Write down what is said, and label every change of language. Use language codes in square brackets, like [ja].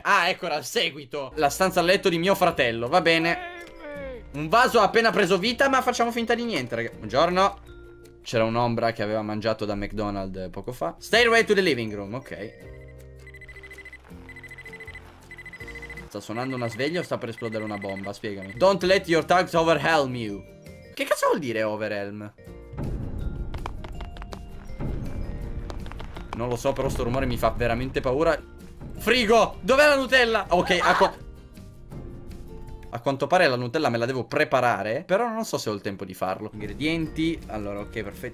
[it] Ah, ecco era il seguito. La stanza a letto di mio fratello. Va bene. Un vaso ha appena preso vita, ma facciamo finta di niente, ragazzi. Buongiorno. C'era un'ombra che aveva mangiato da McDonald's poco fa. [en] Stairway to the living room, [it] ok. Sta suonando una sveglia o sta per esplodere una bomba? Spiegami. [en] Don't let your thugs overwhelm you. [it] Che cazzo vuol dire overwhelm? Non lo so, però sto rumore mi fa veramente paura. Frigo! Dov'è la Nutella? Ok, a quanto pare la Nutella me la devo preparare. Però non so se ho il tempo di farlo. Ingredienti. Allora, ok, perfetto.